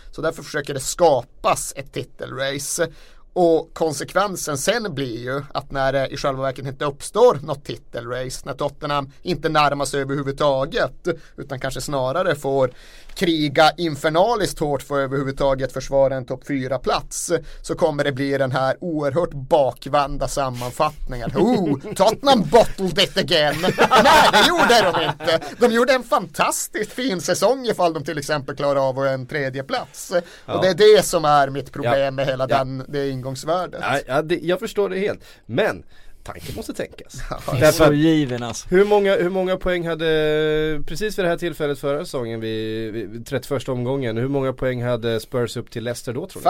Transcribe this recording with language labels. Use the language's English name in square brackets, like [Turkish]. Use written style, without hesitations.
[Swedish] Så därför försöker det skapas ett titelrace. Och konsekvensen sen blir ju att när det i själva verket inte uppstår något titelrace, när Tottenham inte närmar sig överhuvudtaget utan kanske snarare får kriga infernaliskt hårt för överhuvudtaget försvara en topp 4 plats, så kommer det bli den här oerhört bakvända sammanfattningen. [English] Oh, Tottenham bottled it again. [Swedish] Nej, det gjorde de inte. De gjorde en fantastiskt fin säsong ifall de till exempel klarar av en tredje plats. Och det är det som är mitt problem med hela den, det ingångsvärdet. Jag förstår det helt, men tanken måste tänkas. Det är så given, alltså. Hur många poäng hade, precis för det här tillfället förra säsongen vid 31 omgången, hur många poäng hade Spurs upp till Leicester då, tror du?